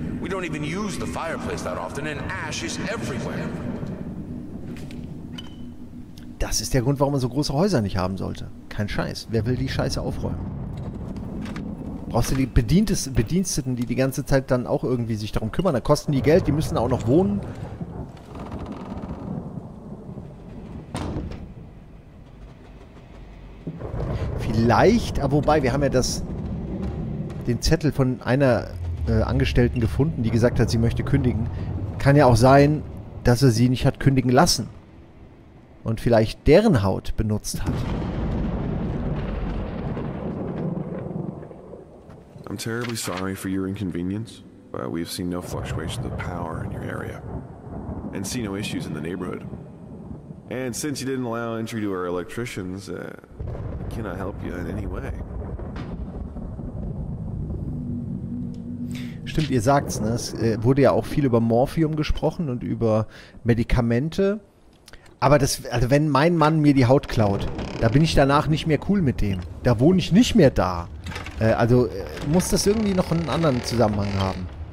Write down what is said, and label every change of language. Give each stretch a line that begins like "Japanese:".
English: We don't even use the fireplace that often, and ash is everywhere.
German: Das ist der Grund, warum man so große Häuser nicht haben sollte. Kein Scheiß. Wer will die Scheiße aufräumen? Brauchst du die Bediensteten, die die ganze Zeit dann auch irgendwie sich darum kümmern? Da kosten die Geld, die müssen auch noch wohnen. Vielleicht, aber wobei, wir haben ja den Zettel von einer Angestellten gefunden, die gesagt hat, sie möchte kündigen. Kann ja auch sein, dass er sie nicht hat kündigen lassen. Und vielleicht deren Haut benutzt hat.
English: I'm terribly sorry for your inconvenience, but we've seen no fluctuations of power in your area. And see no issues in the neighborhood. And since you didn't allow entry to our electricians, can I help you in any way?
German: stimmt, ihr sagt's, ne? Es wurde ja auch viel über Morphium gesprochen und über Medikamente. Aber das, also wenn mein Mann mir die Haut klaut, da bin ich danach nicht mehr cool mit dem. Da wohne ich nicht mehr da. Also muss das irgendwie noch einen anderen Zusammenhang haben.